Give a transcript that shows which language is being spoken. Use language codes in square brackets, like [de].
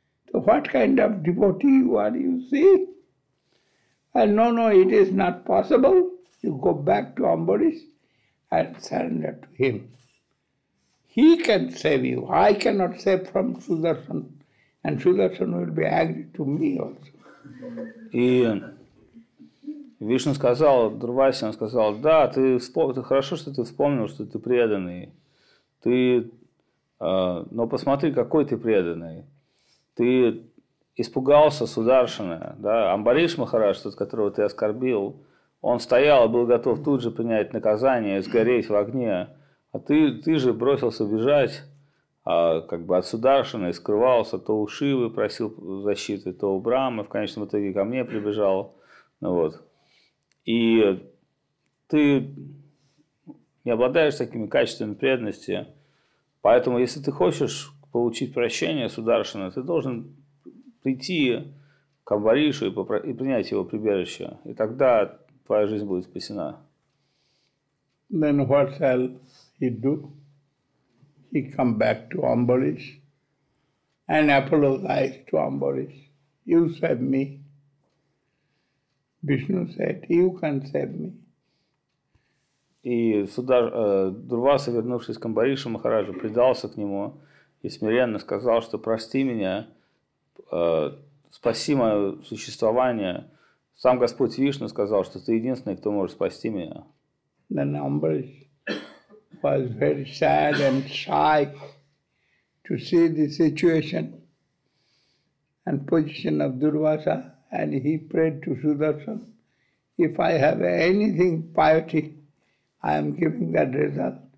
[en] So what kind of devotee you are, you see? And no, it is not possible. You go back to Ambarish and surrender to him. He can save you. I cannot save from Sudarshan. And Sudarshan will be angry to me also. [ru] И Вишну сказал, Дурвайсе, он сказал: да, ты хорошо, что ты вспомнил, что ты преданный. Но посмотри, какой ты преданный. Ты испугался Сударшана, да? Амбариш Махарадж, тот, которого ты оскорбил, он стоял и был готов тут же принять наказание, сгореть в огне. А ты же бросился бежать как бы от Сударшана и скрывался, то у Шивы просил защиты, то у Брамы, в конечном итоге ко мне прибежал. Ну вот. И ты не обладаешь такими качествами преданности, поэтому если ты хочешь получить прощение Сударшана, ты должен прийти к Амбаришу и принять его прибежище, и тогда твоя жизнь будет спасена. [en] Then what shall he do? He come back to Ambarish and apologize to Ambarish. You save me. Vishnu said, you can save me. [ru] И Дурваса, вернувшись к Амбаришу Махараджу, предался к нему и смиренно сказал, что прости меня, спаси мое существование. Сам Господь Вишну сказал, что ты единственный, кто может спасти меня. [en] Then Ambarish was very sad and shy to see the situation. and position of Durvasa, and he prayed to Sudarshan, if I have anything piety, I am giving that result.